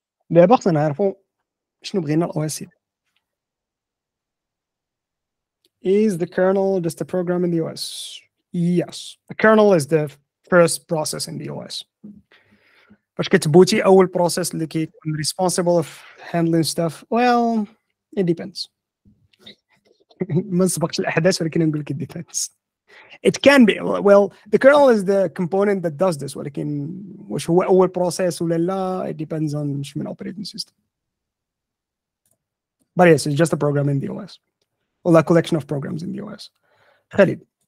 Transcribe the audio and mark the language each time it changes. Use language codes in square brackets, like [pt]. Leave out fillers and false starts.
[ar] دابا خصنا نعرفوا شنو بغينا الـ OS. [en] Is the kernel just a program in the OS? Yes. The kernel is the first process in the OS. [ar] باش كتبوتي أول [en] process [ar] اللي كيكون [en] responsible of handling stuff. Well, it depends. [ar] ما نسبقش الأحداث ولكن نقول لك [en] it depends. It can be. Well, the kernel is the component that does this. [ar] ولكن واش هو أول process ولا لا, [en] it depends on [ar] شو من [en] operating system. But yes, it's just a program in the OS. Or a collection of programs in the OS. Khalid.